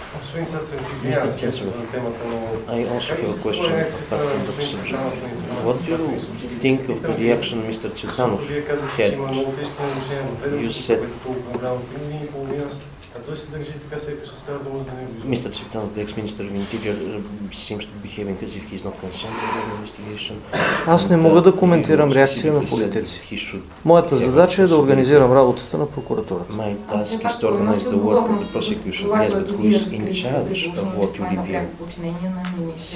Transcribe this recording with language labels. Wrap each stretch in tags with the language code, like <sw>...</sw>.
<bg>Господин Цацаров, извинявайте се за темата, но...</bg> <en>I also have a question about the subject. What do you think of the reaction Mr. Цветанов had? You said... Mr. Цветанов, the ex-minister of Interior, seems to be behaving as if he is not concerned with the investigation.</en> <bg>Аз не мога да коментирам реакция на политици. Моята задача е да организирам работата на прокуратурата.</bg> <en>My task is to organize the work of the prosecution. Yes, but who is in charge of what you review?</en>